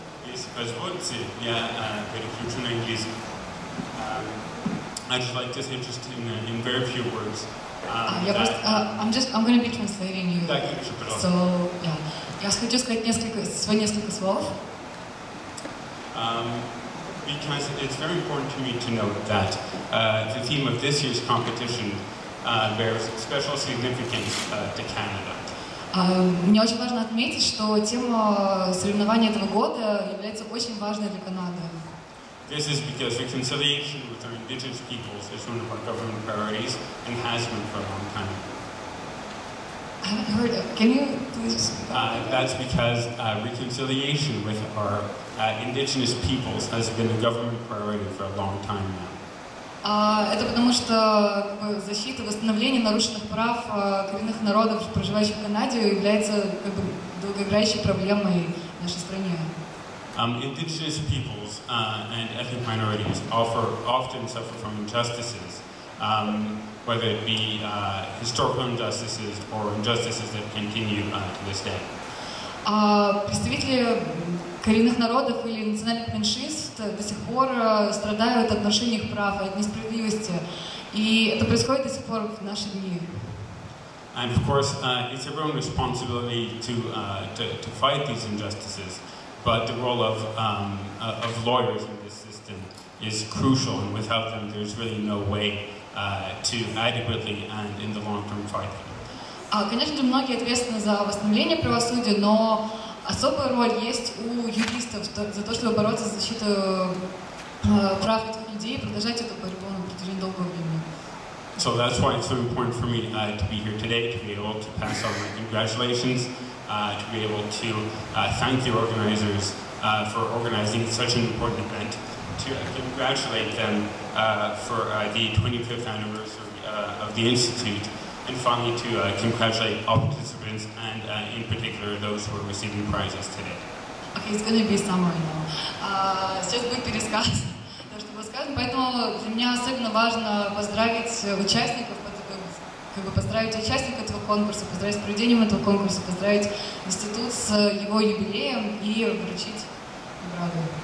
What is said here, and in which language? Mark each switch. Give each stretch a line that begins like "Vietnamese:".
Russian: Если позвольте, я переключу на английский.
English: I'd just like to say just in very few words. I'm going to be translating you.
Russian: Да, конечно, пожалуйста.
English: So, yeah.
Russian: Я хочу сказать несколько слов.
English: Because it's very important to me to note that the theme of this year's competition bears special significance to Canada.
Russian: Мне очень важно отметить, что тема соревнований этого года является очень важной для Канады.
English: This is because reconciliation with our Indigenous peoples is one of our government priorities and has been for a long time. I haven't heard of. Can you please speak up? That's because reconciliation with our Indigenous peoples has been a government priority for a long time now.
Russian: Это потому что защита, восстановление нарушенных прав коренных народов, проживающих в Канаде, является долгоиграющей проблемой в нашей стране.
English: Indigenous peoples and ethnic minorities often suffer from injustices, whether it be historical injustices or injustices that continue to this day.
Russian: Представители коренных народов или национальных меньшинств до сих пор страдают от нарушения их прав и от несправедливости, и это происходит до сих пор в наши дни.
English: And of course, it's everyone's responsibility to fight these injustices. But the role of lawyers in this system is crucial, and without them, there's really no way to adequately and in the long term fight them.
Russian: Конечно, многие ответственны за восстановление правосудия, но особая роль есть у юристов за то, чтобы бороться за защиту прав этих людей и продолжать эту борьбу на протяжении долгого времени.
English: So that's why it's so important for me to be here today, to be able to pass on my congratulations. To be able to thank the organizers for organizing such an important event to congratulate them for the 25th anniversary of the Institute, and finally to congratulate all participants, and in particular those who are receiving prizes today. Okay, it's going to be summary now.
Russian: Сейчас будет пересказ, то, что было сказано. Поэтому для меня особенно важно поздравить участников, как бы поздравить участников этого конкурса, поздравить с проведением этого конкурса, поздравить институт с его юбилеем и вручить награду.